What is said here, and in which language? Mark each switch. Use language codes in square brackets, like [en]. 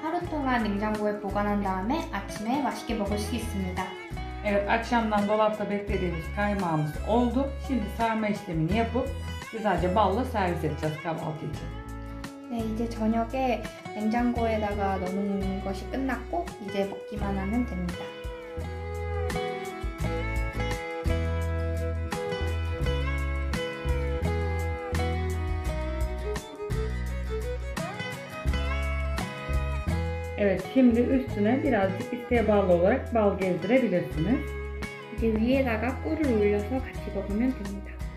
[ko] 하루 동안 냉장고에 보관한 다음에 아침에 맛있게 먹을 수 있습니다. [tr] Evet, akşamdan dolapta beklediğimiz kaymağımız oldu. Şimdi sarma işlemini yapıp güzelce balla servis edeceğiz kahvaltı için. [ko] Ve 이제 저녁에 냉장고에다가 넣는 것이 끝났고 이제 먹기만 하면 됩니다. [tr] evet, şimdi üstüne birazcık isteğe bağlı olarak bal gezdirebilirsiniz. [ko] İşte위에다가 꿀을 올려서 같이 먹으면 됩니다.